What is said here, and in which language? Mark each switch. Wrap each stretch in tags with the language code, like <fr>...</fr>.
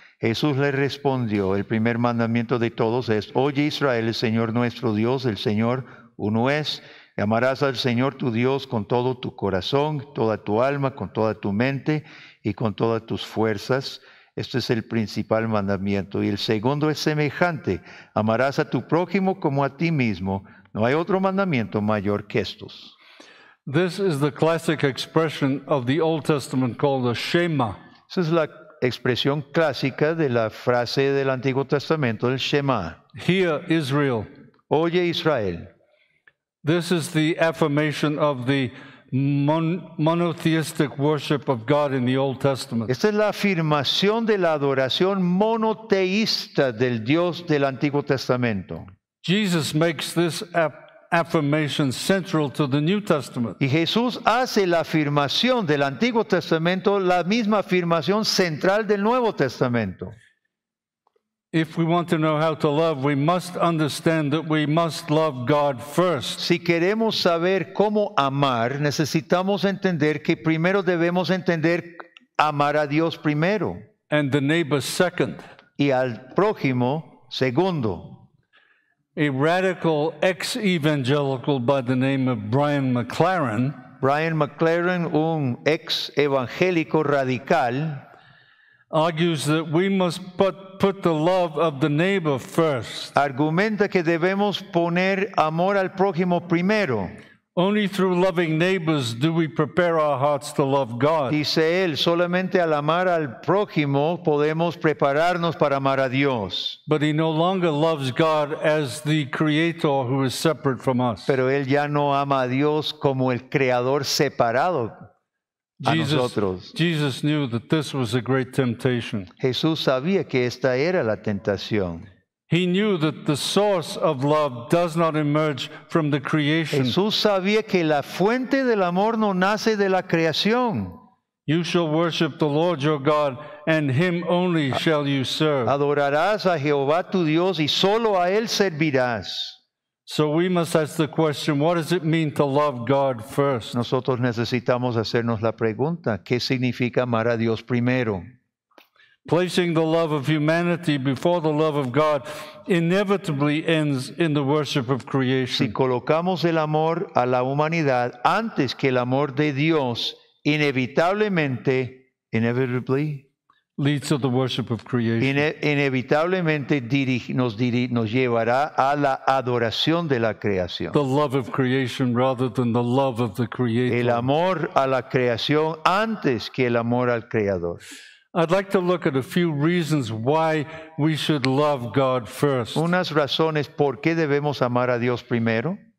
<es>Jesús le respondió, el primer mandamiento de todos es, oye Israel, el Señor nuestro Dios, el Señor uno es, y amarás al Señor tu Dios con todo tu corazón, toda tu alma, con toda tu mente y con todas tus fuerzas. Este es el principal mandamiento. Y el segundo es semejante, amarás a tu prójimo como a ti mismo. No hay otro mandamiento mayor que estos.</es> <en>This is the classic expression of the Old Testament called the Shema.</en> <es>Esa es la expresión clásica de la frase del Antiguo Testamento, el Shema.</es> <en>Hear Israel.</en> <es>Oye Israel.</es> <en>This is the affirmation of the monotheistic worship of God in the Old Testament.</en> <es>Esta es la afirmación de la adoración monoteísta del Dios del Antiguo Testamento.</es> <en>Jesus makes this affirmation central to the New Testament.</en> <es>Y Jesús hace la afirmación del Antiguo Testamento la misma afirmación central del Nuevo Testamento.</es> <en>If we want to know how to love, we must understand that we must love God first.</en> <es>Si queremos saber cómo amar, necesitamos entender que primero debemos entender amar a Dios primero.</es> <en>And the neighbor second.</en> <es>Y al prójimo segundo.</es> <en>A radical ex-evangelical by the name of Brian McLaren.</en> <es>Brian McLaren, un ex-evangélico radical,</es> <en>argues that we must put the love of the neighbor first.</en> <es>Argumenta que debemos poner amor al prójimo primero.</es> <en>Only through loving neighbors do we prepare our hearts to love God.</en> <es>Dice él, solamente al amar al prójimo podemos prepararnos para amar a Dios.</es> <en>But he no longer loves God as the creator who is separate from us.</en> <es>Pero él ya no ama a Dios como el creador separado a nosotros.</es> <en>Jesus knew that this was a great temptation.</en> <es>Jesús sabía que esta era la tentación.</es> <en>He knew that the source of love does not emerge from the creation.</en> <es>Jesús sabía que la fuente del amor no nace de la creación.</es> <en>You shall worship the Lord your God, and him only shall you serve.</en> <es>Adorarás a Jehová tu Dios y solo a él servirás.</es> <en>So we must ask the question, what does it mean to love God first?</en> <es>Nosotros necesitamos hacernos la pregunta, ¿qué significa amar a Dios primero?</es> <en>Placing the love of humanity before the love of God inevitably ends in the worship of creation.</en> <es>Si colocamos el amor a la humanidad antes que el amor de Dios,</es> <en>inevitably leads to the worship of creation.</en> <es>Inevitablemente nos llevará a la adoración de la creación.</es> <en>The love of creation rather than the love of the creator.</en> <es>El amor a la creación antes que el amor al creador.</es> <en>I'd like to look at a few reasons why we should love God first.</en> <es>Unas razones por qué debemos amar a Dios primero.</es>